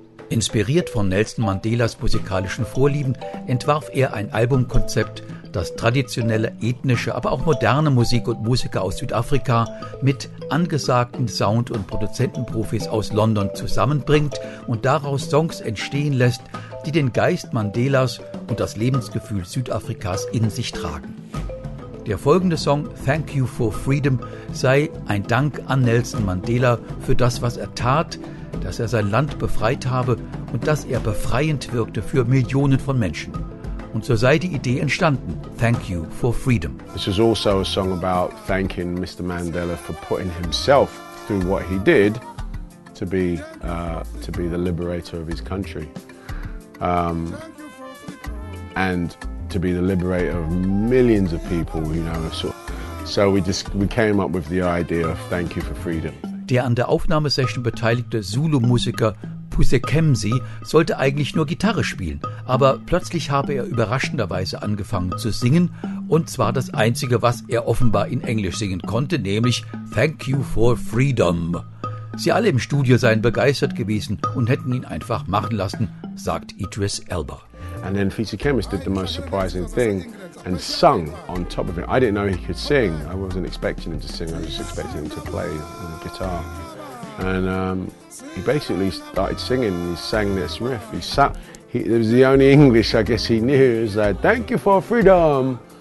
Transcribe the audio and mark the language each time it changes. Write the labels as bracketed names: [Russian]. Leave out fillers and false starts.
[German] Inspiriert von Nelson Mandelas musikalischen Vorlieben, entwarf er ein Albumkonzept, das traditionelle, ethnische, aber auch moderne Musik und Musiker aus Südafrika mit angesagten Sound- und Produzentenprofis aus London zusammenbringt und daraus Songs entstehen lässt, die den Geist Mandelas und das Lebensgefühl Südafrikas in sich tragen. Der folgende Song, Thank You for Freedom, sei ein Dank an Nelson Mandela für das, was er tat, dass er sein Land befreit habe und dass er befreiend wirkte für Millionen von Menschen. Und so sei die Idee entstanden, Thank You for Freedom. [English] This is also a song about thanking Mr. Mandela for putting himself through what he did to be the liberator of his country. And to be the liberator of millions of people, you know. So we came up with the idea of Thank You for Freedom. [German] Der an der Aufnahmesession beteiligte Zulu-Musiker Pusekemsi sollte eigentlich nur Gitarre spielen, aber plötzlich habe er überraschenderweise angefangen zu singen, und zwar das Einzige, was er offenbar in Englisch singen konnte, nämlich Thank You for Freedom. Sie alle im Studio seien begeistert gewesen und hätten ihn einfach machen lassen, sagt Idris Elba. [English] And then Pusekemsi did the most surprising thing and sung on top of it. I didn't know he could sing. I wasn't expecting him to sing. I was just expecting him to play the guitar. And he basically started singing. He sang this riff. It was the only English I guess he knew. He was like, "Thank you for freedom."